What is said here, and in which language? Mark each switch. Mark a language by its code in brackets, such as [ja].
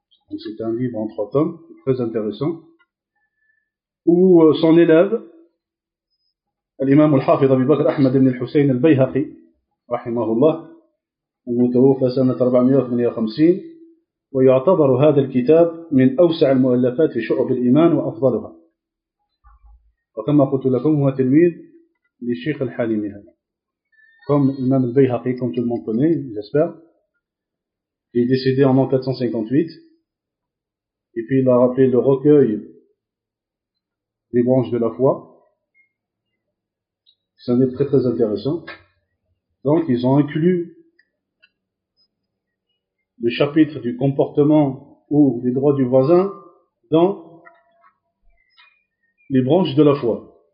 [fr] Donc c'est un livre en 3 tomes, très intéressant. Où son élève, l'imam al-Hafidh Abi Bakr Ahmad ibn al-Hussein al-Bayhaqi, rahimahullah, al-mutawafa sana 458, [ar] ويعتبر هذا الكتاب من أوسع المؤلفات في شعب الإيمان وأفضلها. وكما قلت لكم هو تلميذ للشيخ الحالمي هذا. [fr] Comme l'imam al-Bayhaqi, comme tout le monde connaît, j'espère, il est décédé en 458, et puis il a rappelé le recueil des branches de la foi. C'est un livre très très intéressant. Donc ils ont inclus le chapitre du comportement ou les droits du voisin dans les branches de la foi.